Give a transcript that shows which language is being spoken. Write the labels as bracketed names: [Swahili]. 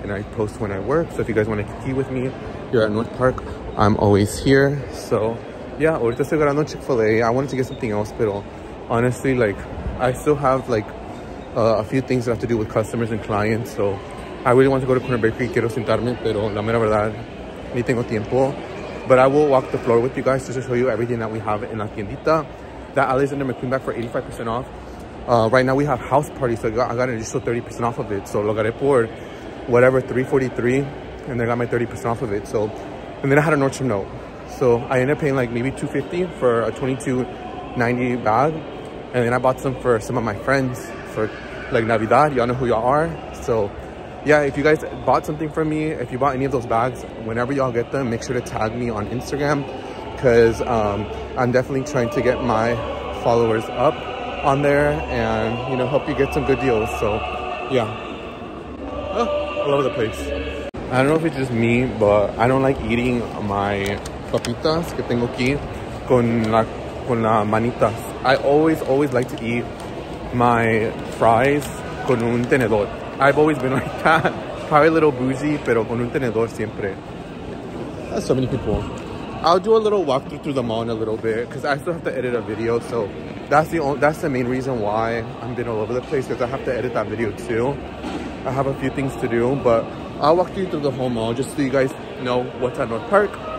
[English] And I post when I work. So if you guys want to kiki with me here at North Park, I'm always here. So yeah, [Spanish] ahorita estoy grabando [English] Chick-fil-A. I wanted to get something else, but honestly, like, I still have like a few things that I have to do with customers and clients. So I really want to go to Corner Bakery. [Spanish] Quiero sentarme, pero la mera verdad, ni tengo tiempo. [English] But I will walk the floor with you guys just to show you everything that we have in [Spanish] la tiendita. [English] That Alexander McQueen bag for 85% off. Right now we have House Party, so I got an additional 30% off of it. So [Spanish] lo agarré por [English] whatever, $343, and then I got my 30% off of it. So, and then I had a Nordstrom note. So I ended up paying like maybe $250 for a $22.90 bag. And then I bought some for some of my friends for like Navidad. Y'all know who y'all are. So yeah, if you guys bought something from me, if you bought any of those bags, whenever y'all get them, make sure to tag me on Instagram, because I'm definitely trying to get my followers up on there and, you know, help you get some good deals. So yeah, all over the place. I don't know if it's just me, but I don't like eating my papitas [Spanish] que tengo aquí con la manitas. [English] I always like to eat my fries [Spanish] con un tenedor. [English] I've always been like that. Probably a little bougie, [Spanish] pero con un tenedor siempre. [English] That's so many people. I'll do a little walkthrough through the mall in a little bit, because I still have to edit a video. So that's the main reason why I'm been all over the place, because I have to edit that video too. I have a few things to do, but I'll walk you through the whole mall just so you guys know what's at North Park.